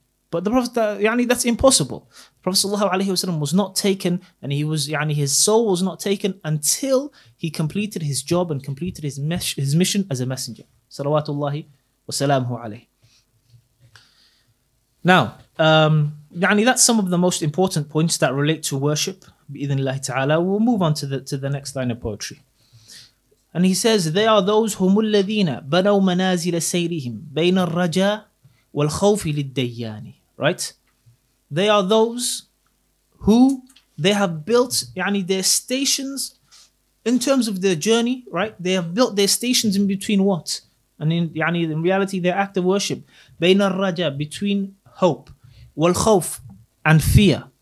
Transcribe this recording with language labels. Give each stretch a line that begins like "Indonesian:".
English: But the Prophet, that's impossible. The Prophet sallallahu alayhi wasallam was not taken, and he was, his soul was not taken until he completed his job and completed his mission as a messenger. Salawatullahi wa salamuhu alayhi. Now, that's some of the most important points that relate to worship, bi-idhnillahi ta'ala. We'll move on to the next line of poetry. And he says, they are those whom
Arabic: الَّذِينَ بَنَوْ مَنَازِلَ سَيْرِهِمْ بَيْنَ الرَّجَاءِ وَالْخَوْفِ لِلْدَيَّانِ.
English: Right? They are those who they have built يعني, their stations in terms of their journey, right? They have built their stations in between what? And in reality, their act of worship.
Arabic: بَيْنَ الرَّجَاءِ
English: between hope.
Arabic: وَالْخَوْفِ
English: and fear.